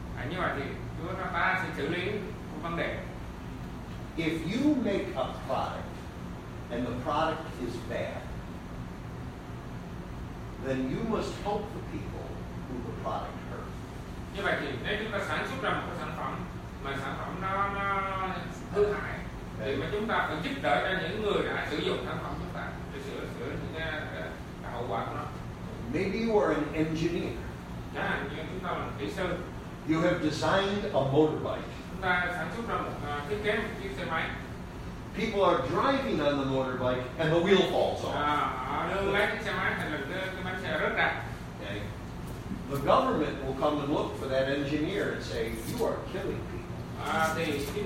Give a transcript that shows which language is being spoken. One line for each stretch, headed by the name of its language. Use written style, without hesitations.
Vietnamese: như vậy thì Chúa ra ta sẽ xử lý một vấn đề.
English: If you make a product and the product is bad, then you must help the people who the product hurt.
Vietnamese: Như vậy thì nếu chúng ta sản xuất ra một sản phẩm mà sản phẩm đó nó hư hại, thì mà chúng ta phải giúp đỡ cho những người đã sử dụng sản phẩm chúng ta để sửa sửa những cái hậu quả của nó.
English: Maybe you are an engineer.
Vietnamese: Yeah, như chúng ta là một kỹ sư.
English: You have designed a motorbike.
Vietnamese: Chúng ta sản xuất ra một thiết kế một chiếc xe máy.
English: People are driving on the motorbike and the wheel falls off. Okay. The government will come and look for that engineer and say, you are killing people.